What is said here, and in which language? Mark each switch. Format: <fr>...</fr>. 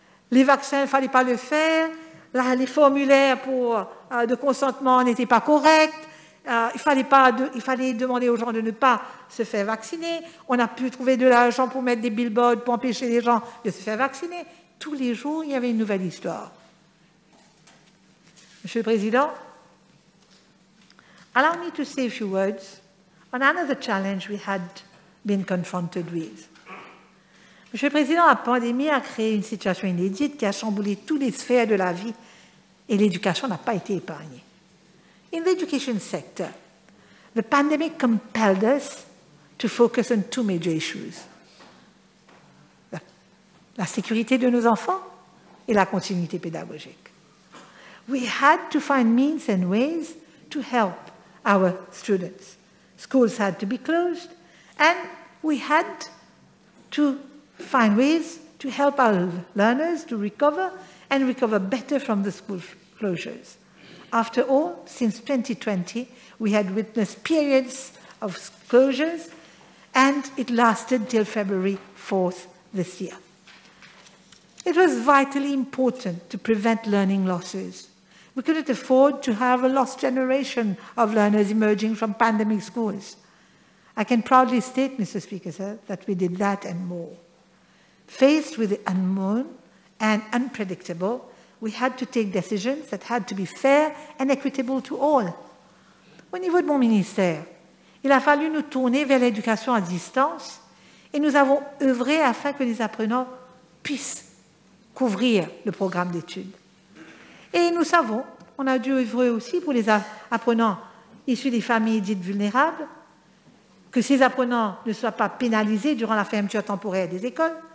<fr>Les vaccins, il ne fallait pas le faire. Là, les formulaires de consentement n'étaient pas corrects. Il fallait demander aux gens de ne pas se faire vacciner. On a pu trouver de l'argent pour mettre des billboards, pour empêcher les gens de se faire vacciner. Tous les jours, il y avait une nouvelle histoire. Monsieur le Président,</fr> <en>Allow me to say a few words on another challenge we had been confronted with.</en> <fr>Monsieur le Président, la pandémie a créé une situation inédite qui a chamboulé toutes les sphères de la vie et l'éducation n'a pas été épargnée.</fr> <en>In the education sector, the pandemic compelled us to focus on two major issues.</en> <fr>La sécurité de nos enfants et la continuité pédagogique.</fr> <en>We had to find means and ways to help our students. Schools had to be closed, and we had to find ways to help our learners to recover and recover better from the school closures. After all, since 2020, we had witnessed periods of closures, and it lasted till February 4th this year. It was vitally important to prevent learning losses. We couldn't afford to have a lost generation of learners emerging from pandemic schools. I can proudly state, Mr. Speaker, sir, that we did that and more. Faced with the unknown and unpredictable, we had to take decisions that had to be fair and equitable to all.</en> <fr>Au niveau de mon ministère, il a fallu nous tourner vers l'éducation à distance et nous avons œuvré afin que les apprenants puissent couvrir le programme d'études. Et nous savons, on a dû œuvrer aussi pour les apprenants issus des familles dites vulnérables, que ces apprenants ne soient pas pénalisés durant la fermeture temporaire des écoles.</fr>